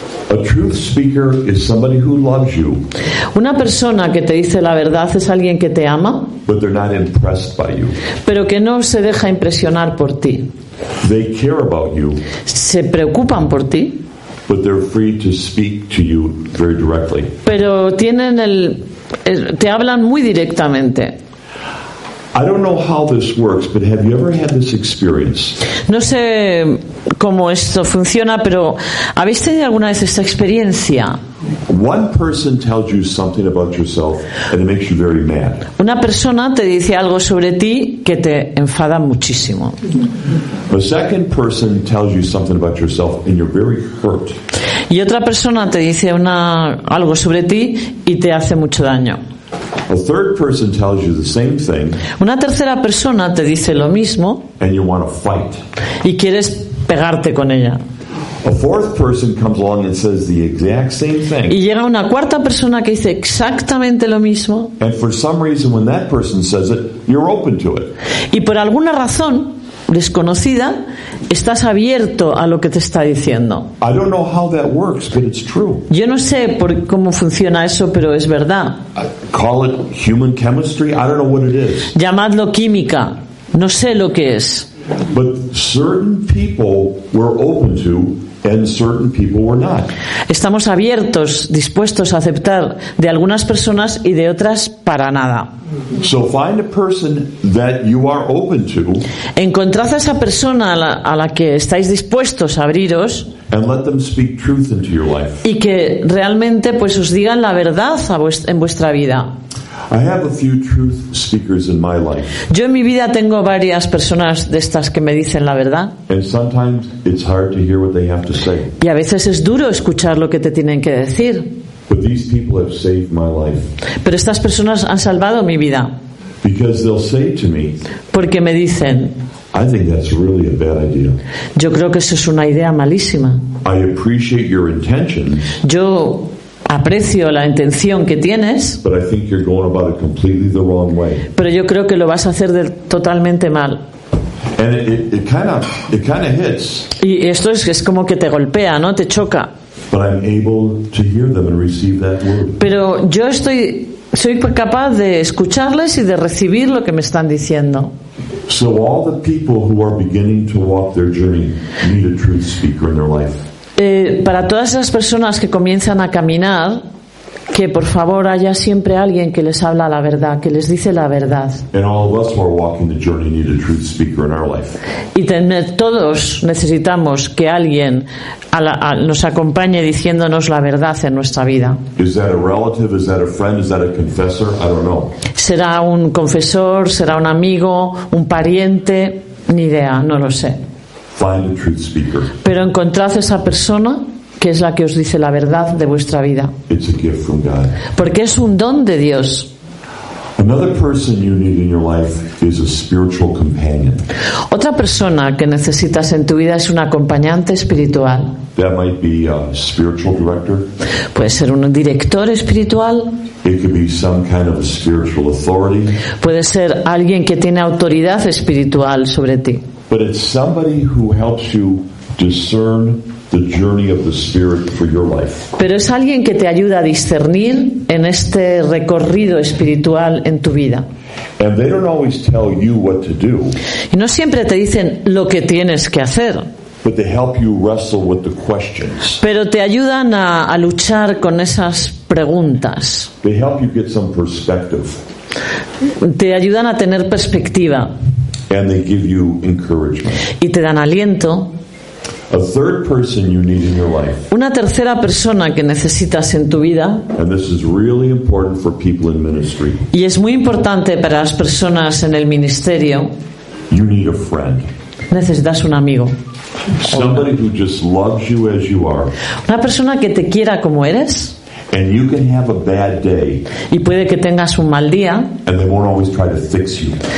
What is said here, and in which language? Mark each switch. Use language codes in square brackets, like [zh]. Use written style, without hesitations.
[en] A truth speaker is somebody who loves you. [es] Una persona que te dice la verdad es alguien que te ama, [en] but they're not impressed by you. [es] Pero que no se deja impresionar por ti. [en] They care about you. [es] Se preocupan por ti. [en] But they're free to speak to you very directly. [es] Pero tienen el te hablan muy directamente. [en] I don't know how this works, but have you ever had this experience? [es] No sé cómo esto funciona, pero ¿habéis tenido alguna vez esta experiencia? [en] One person tells you something about yourself and it makes you very mad. [es] Una persona te dice algo sobre ti que te enfada muchísimo. [en] A second person tells you something about yourself and you're very hurt. [es] Y otra persona te dice algo sobre ti y te hace mucho daño. [en] A third person tells you the same thing. [es] Una tercera persona te dice lo mismo. [en] And you want to fight. [es] Y quieres pegarte con ella. [en] A fourth person comes along and says the exact same thing. [es] Y llega una cuarta persona que dice exactamente lo mismo. [en] And for some reason when that person says it, you're open to it. [es] Y por alguna razón desconocida, estás abierto a lo que te está diciendo. [en] I don't know how that works, but it's true. [es] Yo no sé por cómo funciona eso, pero es verdad. [en] Call it human chemistry. I don't know what it is. [es] Llamadlo química. No sé lo que es. [en] But certain people were open to, and certain people were not. [es] Estamos abiertos, dispuestos a aceptar de algunas personas y de otras para nada. [en] So find a person that you are open to. [es] Encontrad a esa persona a la que estáis dispuestos a abriros. [en] And let them speak truth into your life. [es] Y que realmente pues os digan la verdad en vuestra vida. [en] I have a few truth speakers in my life. [es] Yo en mi vida tengo varias personas de estas que me dicen la verdad. [en] And sometimes it's hard to hear what they have to say. [es] Y a veces es duro escuchar lo que te tienen que decir. [en] But these people have saved my life. [es] Pero estas personas han salvado mi vida. [en] Because they'll say to me. [es] Porque me dicen. [en] I think that's really a bad idea. [es] Yo creo que eso es una idea malísima. [en] I appreciate your intentions. [es] Yo aprecio la intención que tienes. [en] But I think you're going about it completely the wrong way. [es] Pero yo creo que lo vas a hacer de totalmente mal. [en] And it kind of hits. [es] Y esto es como que te golpea, ¿no? Te choca. [en] But I'm able to hear them and receive that word. [es] Pero yo soy capaz de escucharles y de recibir lo que me están diciendo. [en] So all the people who are beginning to walk their journey need a truth speaker in their life. [es] Para todas esas personas que comienzan a caminar, que por favor haya siempre alguien que les habla la verdad, que les dice la verdad. [en] And all of us who are walking the journey need a truth speaker in our life. [es] Y todos necesitamos que alguien nos acompañe diciéndonos la verdad en nuestra vida. [en] Is that a relative? Is that a friend? Is that a confessor? I don't know. [es] ¿Será un confesor? ¿Será un amigo? ¿Un pariente? Ni idea, no lo sé. [en] Find a truth speaker. [es] Pero encontrad esa persona que es la que os dice la verdad de vuestra vida. [en] It's a gift from God. [es] Porque es un don de Dios. [en] Another person you need in your life is a spiritual companion. [es] Otra persona que necesitas en tu vida es un acompañante espiritual. [en] That might be a spiritual director. [es] Puede ser un director espiritual. [en] It could be some kind of a spiritual authority. [es] Puede ser alguien que tiene autoridad espiritual sobre ti. [en] But it's somebody who helps you discern the journey of the Spirit for your life. [es] Pero es alguien que te ayuda a discernir en este recorrido espiritual en tu vida. [en] And they don't always tell you what to do. [es] Y no siempre te dicen lo que tienes que hacer. [en] But they help you wrestle with the questions. [es] Pero te ayudan a luchar con esas preguntas. [en] They help you get some perspective. [es] Te ayudan a tener perspectiva. [en] And they give you encouragement. [es] Y te dan aliento. [en] A third person you need in your life. [es] Una tercera persona que necesitas en tu vida. [en] And this is really important for people in ministry. [es] Y es muy importante para las personas en el ministerio. [en] You need a friend. [es] Necesitas un amigo. [en] Somebody who just loves you as you are. [es] Una persona que te quiera como eres. [en] And you can have a bad day. [es] Y puede que tengas un mal día. [en] And they won't always try to fix you.